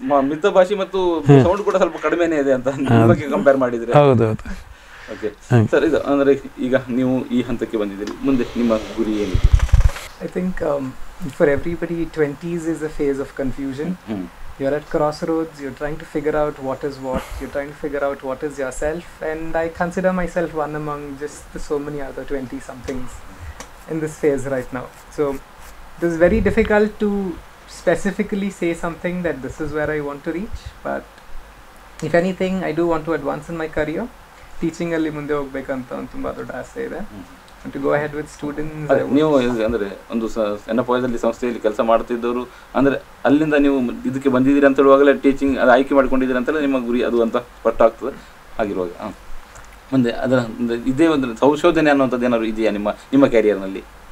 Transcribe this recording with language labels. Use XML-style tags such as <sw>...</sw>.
<kn>ಮಿತ ಭಾಷೆ ಮತ್ತು ಸೌಂಡ್ ಕೂಡ ಸ್ವಲ್ಪ ಕಡಿಮೆನೇ ಇದೆ ಅಂತ ಕಂಪೇರ್ ಮಾಡಿದ್ರೆ. ಹೌದು ಹೌದು. ಓಕೆ ಸರ್, ಇದು ಅಂದರೆ ಈಗ ನೀವು ಈ ಹಂತಕ್ಕೆ ಬಂದಿದ್ದೀರಿ, ಮುಂದೆ ನಿಮ್ಮ ಗುರಿ ಏನಿದೆ?</kn> <en>I think for everybody 20s is a phase of confusion. You are at crossroads, you're trying to figure out what is what, you're trying to figure out what is yourself, and I consider myself one among just the so many other 20-somethings in this phase right now. So it is very difficult to specifically say something that this is where I want to reach, but if anything, I do want to advance in my career.</en> <kn>Teaching alli munde hogbekanta tumba dodda ase ide.</kn> <en>And to go ahead with students,</en> <kn>ನೀವು ಅಂದರೆ ಒಂದು ಎನ್ಎಫ್ಐದಲ್ಲಿ ಸಂಸ್ಥೆಯಲ್ಲಿ ಕೆಲಸ ಮಾಡ್ತಿದ್ದವರು ಅಂದರೆ ಅಲ್ಲಿಂದ ನೀವು ಇದಕ್ಕೆ ಬಂದಿದ್ದೀರಿ ಅಂತ ಹೇಳುವಾಗಲೇ ಟೀಚಿಂಗ್ ಅದು ಆಯ್ಕೆ ಮಾಡ್ಕೊಂಡಿದ್ದೀರಿ ಅಂತಲೇ ನಿಮ್ಮ ಗುರಿ ಅದು ಅಂತ ಪಟ್ಟಾಗ್ತದೆ ಆಗಿರುವಾಗ. ಹಾಂ, ಮುಂದೆ ಅದರ ಇದೇ ಒಂದು ಸಂಶೋಧನೆ ಅನ್ನುವಂಥದ್ದು ಏನಾದ್ರು ಇದೆಯಾ ನಿಮ್ಮ ಕ್ಯಾರಿಯರ್ನಲ್ಲಿ?</kn>